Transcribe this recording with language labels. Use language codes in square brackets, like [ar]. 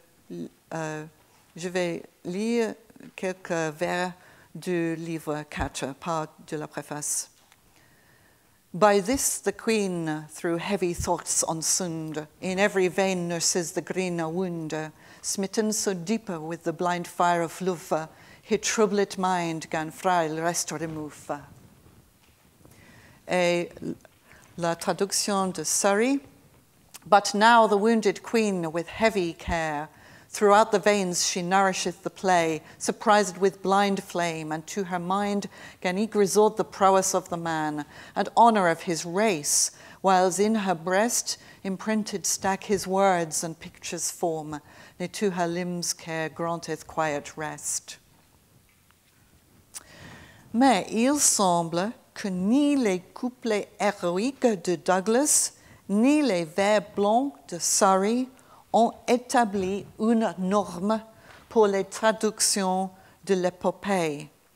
[fr] Je vais lire quelques vers du livre 4, pas de la préface. [en] By this the queen, through heavy thoughts ensound, in every vein nurses the green a wound, smitten so deep with the blind fire of love, her troubled mind gan frail rest remove. [fr] Et la traduction de Surrey. [en] But now the wounded queen, with heavy care, throughout the veins she nourisheth the play, surprised with blind flame, and to her mind can eke resort the prowess of the man and honor of his race, whiles in her breast imprinted stack his words and pictures form, ne to her limbs care granteth quiet rest. [fr] Mais il semble que ni les couplets héroïques de Douglas, ni les vers blancs de Surrey ont établi une norme pour les traductions de l'épopée.